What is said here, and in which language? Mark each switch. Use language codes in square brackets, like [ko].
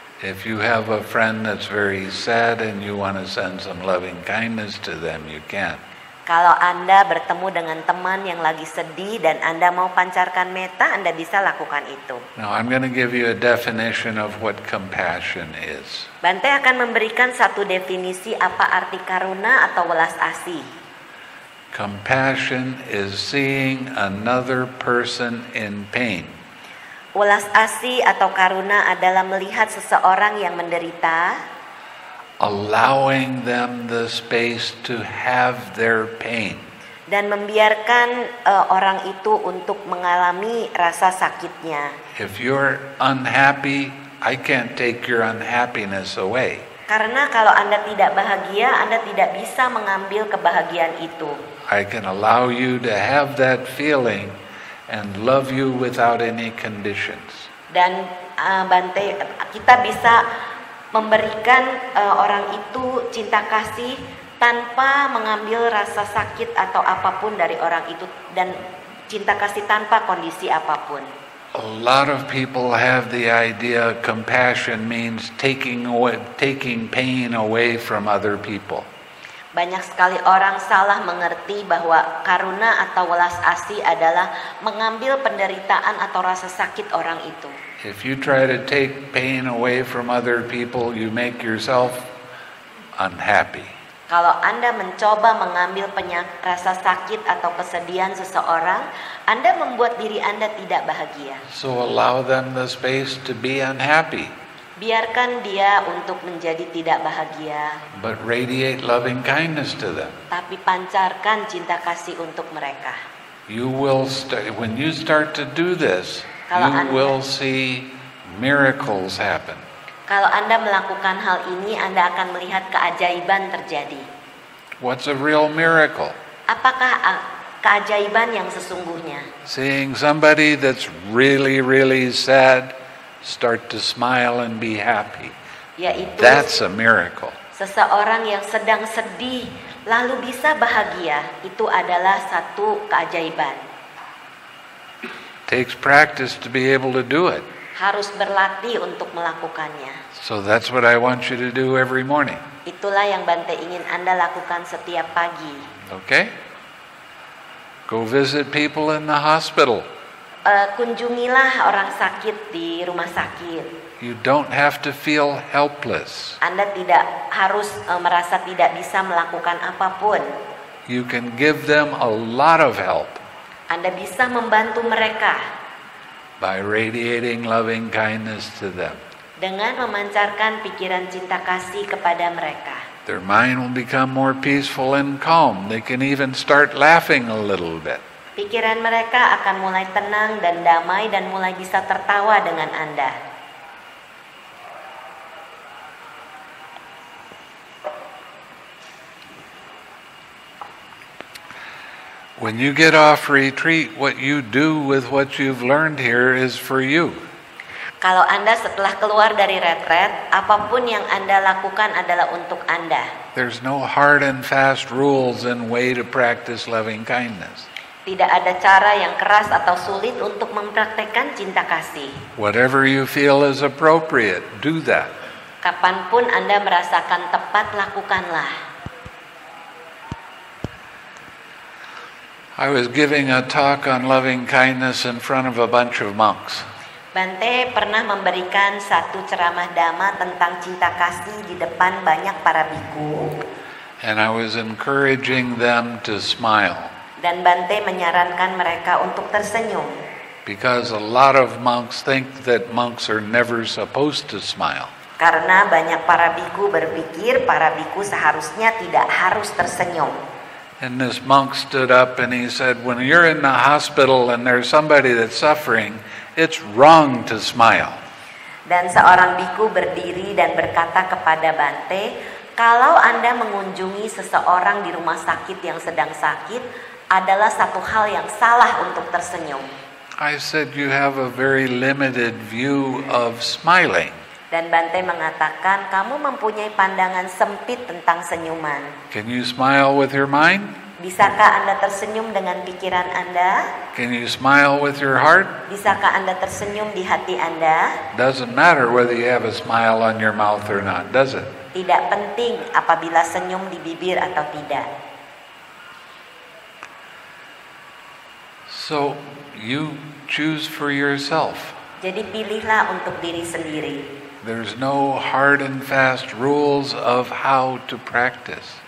[en] If you have a friend that's very sad and you want to send some loving kindness to them, you can. [id] Kalau Anda bertemu dengan teman yang lagi sedih dan Anda mau pancarkan metta, Anda bisa lakukan itu. [en] Now I'm going to give you a definition of what compassion is. [id] Bante akan memberikan satu definisi apa arti karuna atau welas asih. [en] Compassion is seeing another person in pain. [id] Welas asih atau karuna adalah melihat seseorang yang menderita. [en] Allowing them the space to have their pain. [id] Dan membiarkan orang itu untuk mengalami rasa sakitnya. [en] If you're unhappy, I can't take your unhappiness away. [id] Karena kalau Anda tidak bahagia, Anda tidak bisa mengambil kebahagiaan itu. [en] I can allow you to have that feeling and love you without any conditions. [id] Dan Bante, kita bisa memberikan orang itu cinta kasih tanpa mengambil rasa sakit atau apapun dari orang itu, dan cinta kasih tanpa kondisi apapun. [en] A lot of people have the idea compassion means taking pain away from other people. [id] Banyak sekali orang salah mengerti bahwa karuna atau welas asih adalah mengambil penderitaan atau rasa sakit orang itu. [en] If you try to take pain away from other people, you make yourself unhappy. [id] Kalau Anda mencoba mengambil rasa sakit atau kesedihan seseorang, Anda membuat diri Anda tidak bahagia. [en] So allow them the space to be unhappy. [id] Biarkan dia untuk menjadi tidak bahagia. [en] But radiate loving kindness to them. [id] Tapi pancarkan cinta kasih untuk mereka. [en] You will start, when you start to do this, you will see miracles happen. [id] Kalau Anda melakukan hal ini, Anda akan melihat keajaiban terjadi. [en] What's a real miracle? [id] Apakah keajaiban yang sesungguhnya? [en] Seeing somebody that's really, really sad start to smile and be happy. [id] Yaitu, [en] that's a miracle. [id] Seseorang yang sedang sedih lalu bisa bahagia, itu adalah satu keajaiban. [en] Takes practice to be able to do it. [id] Harus berlatih untuk melakukannya. [en] So that's what I want you to do every morning. [id] Itulah yang Bante ingin Anda lakukan setiap pagi. [en] Okay? Go visit people in the hospital. [id] Kunjungilah orang sakit di rumah sakit. [en] You don't have to feel helpless. [id] Anda tidak harus merasa tidak bisa melakukan apapun. [en] You can give them a lot of help. [id] Anda bisa membantu mereka. [en] By radiating loving kindness to them. [id] Dengan memancarkan pikiran cinta kasih kepada mereka. [en] Their mind will become more peaceful and calm. They can even start laughing a little bit. [id] Pikiran mereka akan mulai tenang dan damai dan mulai bisa tertawa dengan Anda. [en] When you get off retreat, what you do with what you've learned here is for you. [id] Kalau Anda setelah keluar dari retret, apapun yang Anda lakukan adalah untuk Anda. [en] There's no hard and fast rules and way to practice loving kindness. [id] Tidak ada cara yang keras atau sulit untuk mempraktikkan cinta kasih. [en] Whatever you feel is appropriate, do that. [id] Kapanpun Anda merasakan tepat, lakukanlah. [en] I was giving a talk on loving kindness in front of a bunch of monks. [id] Bante pernah memberikan satu ceramah dhamma tentang cinta kasih di depan banyak para biku. [en] And I was encouraging them to smile. [id] Dan Bante menyarankan mereka untuk tersenyum. [en] Because a lot of monks think that monks are never supposed to smile. [id] Karena banyak para biku berpikir para biku seharusnya tidak harus tersenyum. [en] And this monk stood up and he said, when you're in the hospital and there's somebody that's suffering, it's wrong to smile. [id] Dan seorang biku berdiri dan berkata kepada Bante, kalau Anda mengunjungi seseorang di rumah sakit yang sedang sakit, adalah satu hal yang salah untuk tersenyum. [en] I said, you have a very limited view of smiling. [id] Dan Bante mengatakan, kamu mempunyai pandangan sempit tentang senyuman. [en] Can you smile with your mind? [id] Bisakah Anda tersenyum dengan pikiran Anda? [en] Can you smile with your heart? [id] Bisakah Anda tersenyum di hati Anda? [en] Doesn't matter whether you have a smile on your mouth or not, does it? [id] Tidak penting apabila senyum di bibir atau tidak. [en] So, you choose for yourself. [id] Jadi pilihlah untuk diri sendiri. [en] There's no hard and fast rules of how to practice.